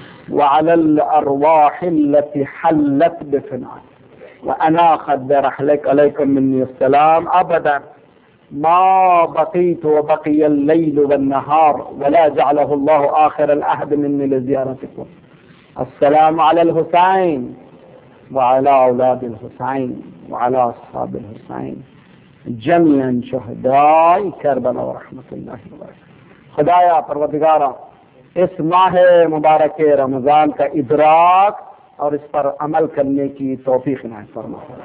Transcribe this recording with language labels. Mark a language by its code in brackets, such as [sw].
[ar] وعلى الارواح التي حلت بفنائك واناخت برحلك، عليكم مني السلام، ابدا ما بقيت وبقي الليل والنهار، ولا جعله الله اخر العهد مني لزيارتكم. السلام على الحسين وعلى اولاد الحسين وعلى اصحاب الحسين جميعا شهداء كربلاء ورحمة الله وبركاته. [ur] خدایا پروردگارا، اس ماہ مبارک رمضان کا ادراک اور اس پر عمل کرنے کی توفیق نائب فرما۔